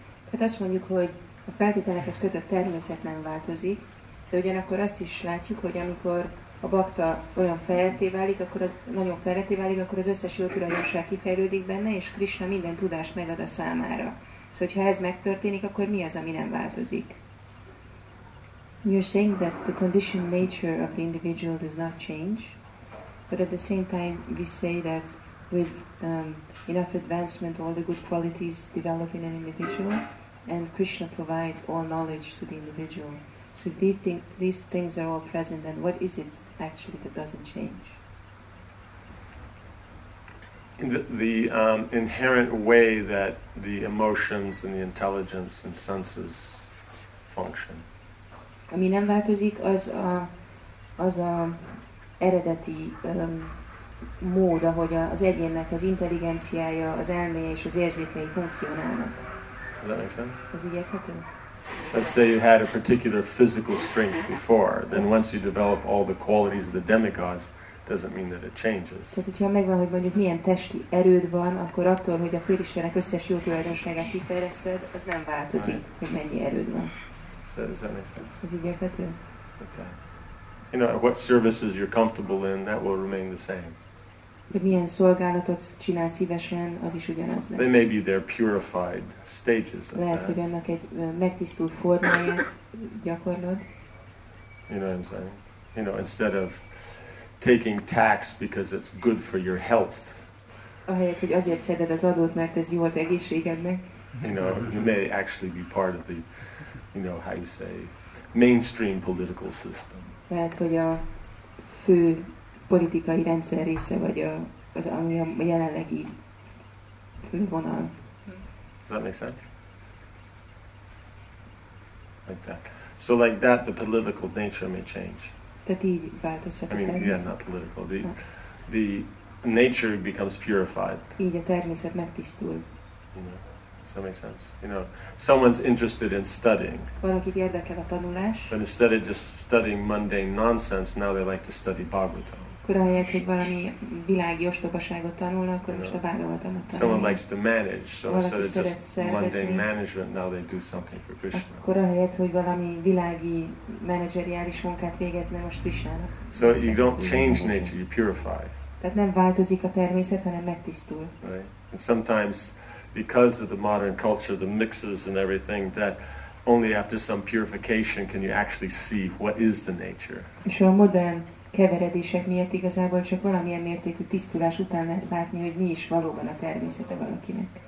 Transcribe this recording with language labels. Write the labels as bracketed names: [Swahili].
[Hungarian] Tehát azt mondjuk, hogy a feltételekhez kötött természet nem változik, de ugyanakkor azt is látjuk, hogy amikor a bakta olyan fejletté válik, akkor az, nagyon fejletté válik, akkor az összes jó tulajdonság kifejlődik benne, és Krisna minden tudást megad a számára. Szóval, hogyha ez megtörténik, akkor mi az, ami nem változik? [English] You're saying that the conditioned nature of the individual does not change, but at the same time we say that with enough advancement all the good qualities develop in an individual, and Krishna provides all knowledge to the individual. So these things are all present, and what is it actually that doesn't change? In the inherent way that the emotions and the intelligence and senses function. [Hungarian] Ami nem változik, az a eredeti mód, ahogy az egyénnek az intelligenciája, az elméje és az érzékei funkcionálnak. [English] Does that make sense? Let's say you had a particular physical strength before, then once you develop all the qualities of the demigods, doesn't mean that it changes. [Hungarian] Tehát, hogyha megvan, hogy mondjuk milyen testi erőd van, akkor attól, hogy a félistenek összes jó tulajdonságát kifejleszted, az nem változik, [English] right, [Hungarian] hogy mennyi erőd van. [English] So does that make sense? [Hungarian] Ez így érthető? [English] Okay. You know, what services you're comfortable in, that will remain the same. [Hungarian] Hogy milyen szolgálatot csinál szívesen, az is ugyanaz lesz. [English] They may be their purified stages. [Hungarian] Lehet, hogy annak egy megtisztult formáját gyakorlod. [English] You know what I'm saying? You know, instead of taking tax because it's good for your health. [Hungarian] Ahelyett, hogy azért szeded az adót, mert ez jó az egészségednek. [English] You know, you may actually be part of the, you know, how you say, mainstream political system. [Hungarian] Lehet, hogy a fő politikai rendszer része vagy az ami a jelenlegi fővonal. [English] Does that make sense? Like that. So like that, the political nature may change. [Hungarian] Tehát így változhat. [English] I mean, yeah, not political. The nature becomes purified. [Hungarian] Így a természet megtisztul. [English] That makes sense. You know, someone's interested in studying. [Hungarian] Valakit érdekel a tanulás. [English] But instead of just studying mundane nonsense, now they like to study Bhagavatam. [Hungarian] Akkor ahelyett, hogy valami világi ostobaságot tanulna, akkor most a Bhagavatamot tanulja. [English] Someone likes to manage, so instead of just mundane management, now they do something for Krishna. [Hungarian] Akkor ahelyett, hogy valami világi menedzseriális munkát végezne most Krishnának. [English] So you don't change nature, you purify. [Hungarian] Tehát nem változik a természet, hanem megtisztul. [English] Right. And sometimes, because of the modern culture, the mixes and everything, that only after some purification can you actually see what is the nature. [Hungarian] És a modern keveredések miatt igazából csak valamilyen mértékű tisztulás után lehet látni, hogy mi is valóban a természete valakinek.